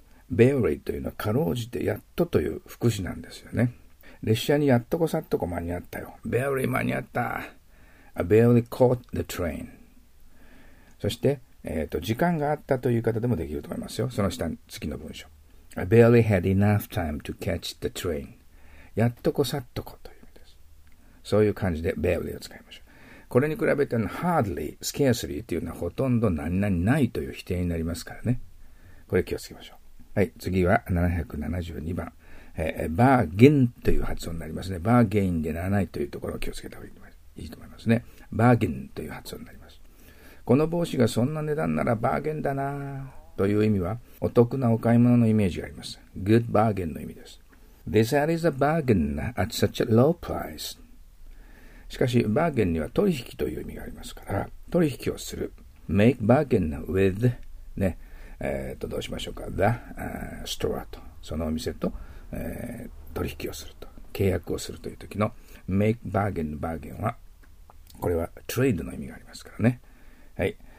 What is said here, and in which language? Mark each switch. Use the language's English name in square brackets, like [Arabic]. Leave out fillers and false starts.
[Japanese] Barely というのはかろうじてやっとという副詞なんですよね。列車にやっとこさっとこ間に合ったよ。 [English] Barely [Japanese] 間に合った。 [English] I barely caught the train. [Japanese] そして、時間があったという方でもできると思いますよ。その下次の文章。 [English] I barely had enough time to catch the train. [Japanese] やっとこさっとこという意味です。そういう感じで barely を使いましょう。これに比べて hardly、scarcely というのはほとんど何々ないという否定になりますからね。これ気をつけましょう。はい、次は772番。bargain という発音になりますね。 bargain でならないというところを気をつけた方がいいと思います。いいと思いますね。バーゲンという発音になります。この帽子がそんな値段ならバーゲンだなという意味は、お得なお買い物のイメージがあります。 [English] Good bargain [Japanese] の意味です。 [English] This hat is a bargain at such a low price. [Japanese] しかしバーゲンには取引という意味がありますから、取引をする。 [English] Make bargain with、 [Japanese] ね、どうしましょうか。 The store と、そのお店と、取引をすると、契約をするという時のMake bargain の bargain は、これはトレードの意味がありますからね。はい。